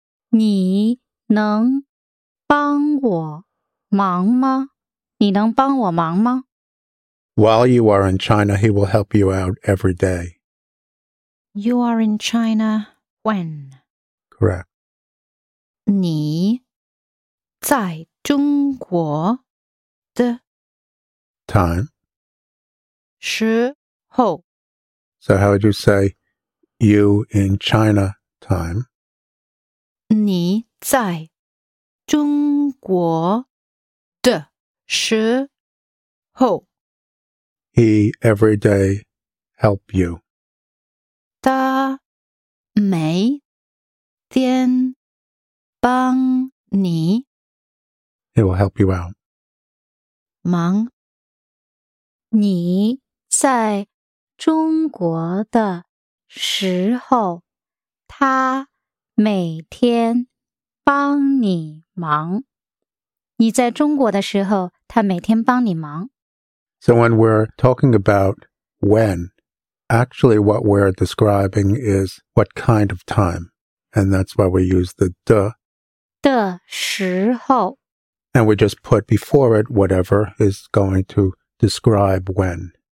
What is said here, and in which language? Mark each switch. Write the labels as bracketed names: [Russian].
[Chinese] 你能帮我忙吗你能帮我忙吗 [English] While you are in China, he will help you out every day. You are in China when? Correct. [Chinese] 你在中国的 [English] time [Chinese] 时候 [English] So how would you say you in China time? [Chinese] 你在中国的时候 [English] He every day help you. [Chinese] 他每天帮你 [English] He will help you out. [Chinese] 忙你在中国的时候他每天帮你忙你在中国的时候他每天帮你忙 [English] So when we're talking about when, actually what we're describing is what kind of time, and that's why we use the 的 [Chinese] 的时候 [English] And we just put before it whatever is going to describe when.